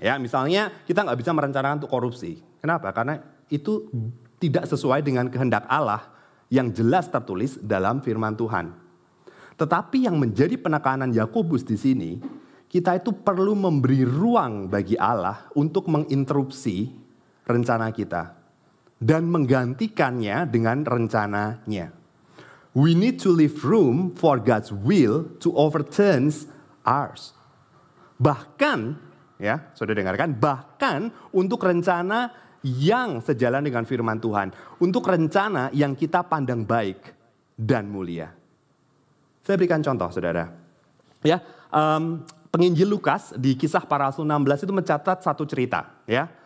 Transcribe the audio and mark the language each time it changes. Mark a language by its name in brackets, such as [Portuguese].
[Indonesian] Ya, misalnya kita gak bisa merencanakan untuk korupsi. Kenapa? Karena itu tidak sesuai dengan kehendak Allah yang jelas tertulis dalam firman Tuhan. Tetapi yang menjadi penekanan Yakobus di sini, kita itu perlu memberi ruang bagi Allah untuk menginterupsi rencana kita. Dan menggantikannya dengan rencananya. [English] We need to leave room for God's will to overturn ours. [Indonesian] Bahkan, ya, sudah dengarkan, bahkan untuk rencana yang sejalan dengan firman Tuhan. Untuk rencana yang kita pandang baik dan mulia. Saya berikan contoh, saudara. Ya, penginjil Lukas di Kisah Para Rasul 16 itu mencatat satu cerita, ya.